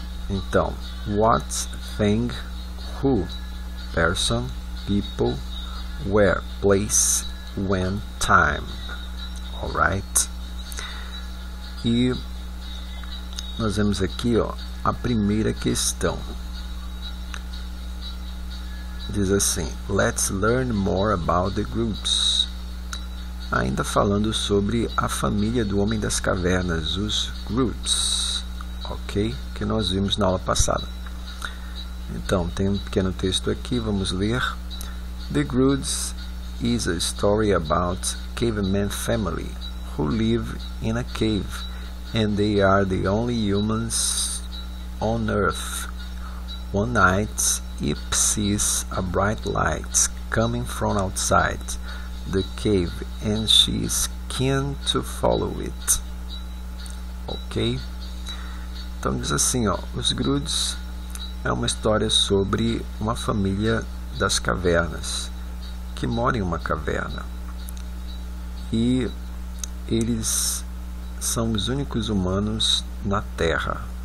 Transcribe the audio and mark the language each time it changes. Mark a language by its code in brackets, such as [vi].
[en] Então, what, thing, who, person, people, where, place, when, time. Alright? [pt] E nós vemos aqui, ó, a primeira questão. Diz assim: [en] Let's learn more about the groups. [pt] Ainda falando sobre a família do Homem das Cavernas, os groups. Ok? Que nós vimos na aula passada. Então, tem um pequeno texto aqui, vamos ler. [en] The groups is a story about caveman family who live in a cave and they are the only humans on earth. One night, Ip sees a bright light coming from outside the cave and she is keen to follow it. Ok? [pt] Então diz assim, ó, Os Grudes é uma história sobre uma família das cavernas que mora em uma caverna e eles são os únicos humanos na Terra.